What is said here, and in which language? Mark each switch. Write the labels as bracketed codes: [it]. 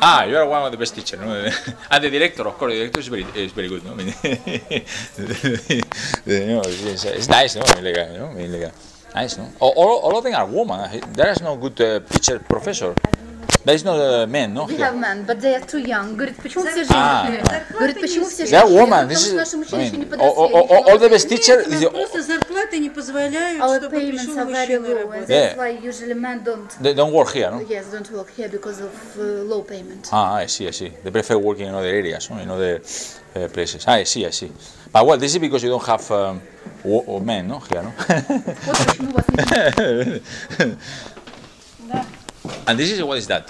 [en] Ah, you are one of the best teachers. No? And the director, of course, the director is very good. No, I mean, no, it's nice, no? I mean, like, no? I mean, like, nice, no? All of them are women. There is no good teacher professor. There is no men, no? We have men, but they are too young. [ru] Говорит, почему все женщины? Говорит, почему все женщины? [en] They are women. This is... I mean, all the best teachers... [ru] Нет, просто зарплаты не позволяют, чтобы пришел мужчина работать. [en] Our payments are very low, and that's why usually men don't... They don't work here, no? Yes, don't work here because of low payment. Ah, I see. They prefer working in other areas, no? In other places. Ah, I see. But well, this is because you don't have men, no? Here, no? And this is what is that?